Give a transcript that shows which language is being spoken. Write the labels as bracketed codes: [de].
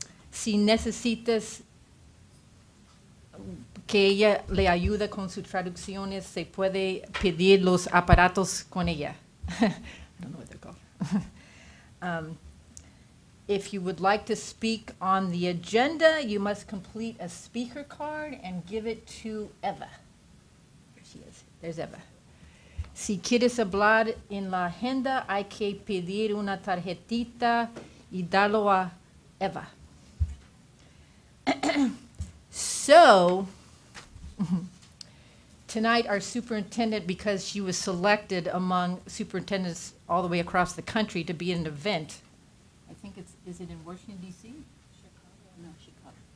[es] Si necesitas que ella le ayude con sus traducciones, se puede pedir los aparatos con ella. [en] I don't know what they're called. If you would like to speak on the agenda, you must complete a speaker card and give it to Eva. There she is. There's Eva. [es] Si quieres hablar en la agenda, hay que pedir una tarjetita y darlo a Eva. [en] So, tonight our superintendent, because she was selected among superintendents all the way across the country to be in an event. I think it's, is it in Washington, D.C.? Chicago.